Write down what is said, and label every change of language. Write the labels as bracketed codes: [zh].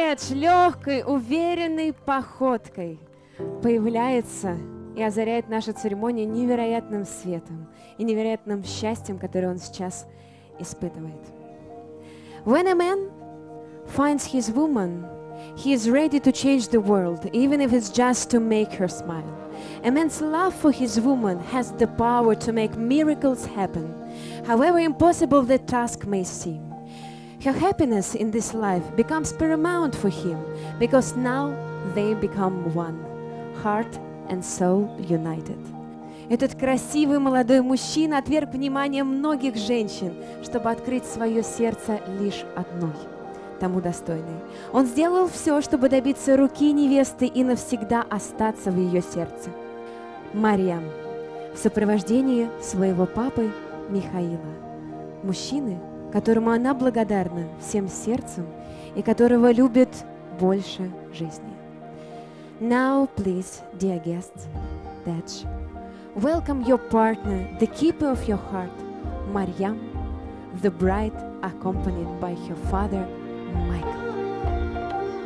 [ru] Легкой, уверенной походкой появляется и озаряет нашу церемонию невероятным светом и невероятным счастьем, которое он сейчас испытывает. [en] When a man finds his woman, he is ready to change the world, even if it's just to make her smile. A man's love for his woman has the power to make miracles happen, however impossible the task may seem. Her happiness in this life becomes paramount for him because now they become one, heart and soul united. [ru] Этот красивый молодой мужчина отверг внимание многих женщин, чтобы открыть свое сердце лишь одной, тому достойной. Он сделал все, чтобы добиться руки невесты и навсегда остаться в ее сердце. Марьям в сопровождении своего папы Михаила. Мужчины, которому она благодарна всем сердцем и которого любит больше жизни. [en] Now, please, dear guests, Tej, welcome your partner, the keeper of your heart, Maryam, the bride accompanied by her father, Michael.